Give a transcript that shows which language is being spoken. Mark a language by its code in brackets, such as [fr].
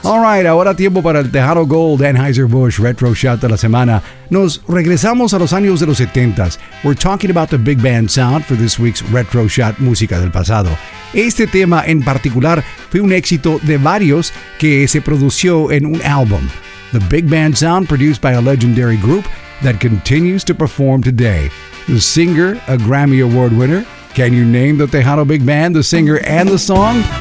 [en] All right, [es] ahora tiempo para el Tejano Gold Anheuser-Busch Retro Shot de la semana. Nos regresamos a los años de los 70s. [en] We're talking about the big band sound for this week's Retro Shot Música del Pasado. [es] Este tema en particular fue un éxito de varios que se produjo en un álbum. [en] The big band sound produced by a legendary group that continues to perform today. The singer, a Grammy Award winner. Can you name the Tejano Big Band, the singer, and the song?